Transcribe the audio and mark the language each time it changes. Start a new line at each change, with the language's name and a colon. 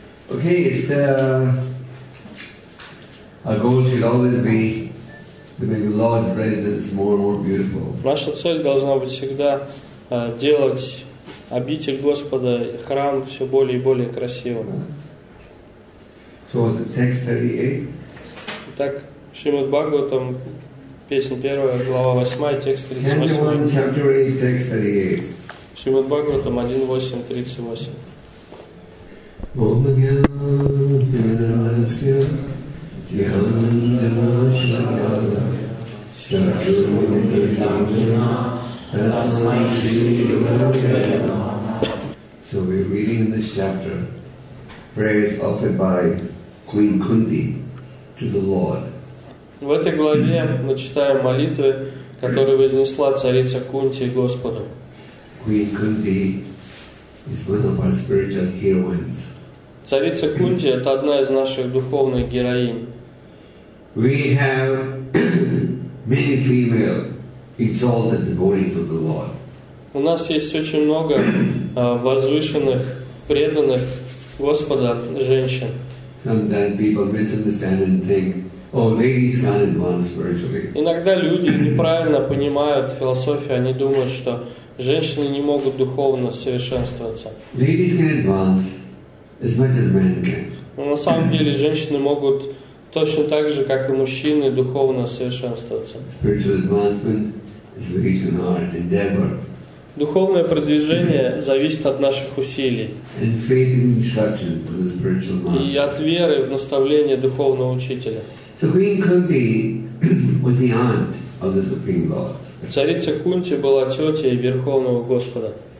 English: Okay, it's our goal should always be to make the Lord's residence more and more beautiful.
Russian: Наша цель должна быть всегда делать обитель Господа, храм все более и более красивым.
English: So the text 38.
Russian: Итак, Шримад Бхагаватам, песня первая, глава 8, текст 38.
English: Canto 1, chapter 8, text 38.
Russian: Шримад Бхагаватам 1.8.38.
Sanskrit: Ом гьянтирасья гьянтирашакара чакшурмудхитамина тасмай шриюхарвена.
English: So we're reading in this chapter prayers offered by Queen Kunti to the Lord.
Russian: В этой главе мы читаем молитвы, которые вознесла царица Кунти Господу.
English: Queen Kunti is one of our spiritual heroines.
Russian: Царица Кунти — это одна из наших духовных героинь.
English: We have many female exalted devotees of the Lord.
Russian: У нас есть очень много возвышенных, преданных Господа женщин.
English: Sometimes people misunderstand and think, oh, ladies can't advance spiritually.
Russian: Иногда люди неправильно понимают философию, они думают, что женщины не могут духовно совершенствоваться.
English: Ladies can advance as much as men can.
Russian: Но на самом деле женщины могут точно так же, как и мужчины, духовно совершенствоваться.
English: Spiritual advancement is based on our endeavor.
Russian: Духовное продвижение зависит от наших усилий.
English: And faith in instructions from the spiritual master.
Russian: И от веры в наставление духовного учителя.
English: So Queen Kunti was the aunt of the Supreme Lord.
Russian: Царица Кунти была тетей Верховного Господа.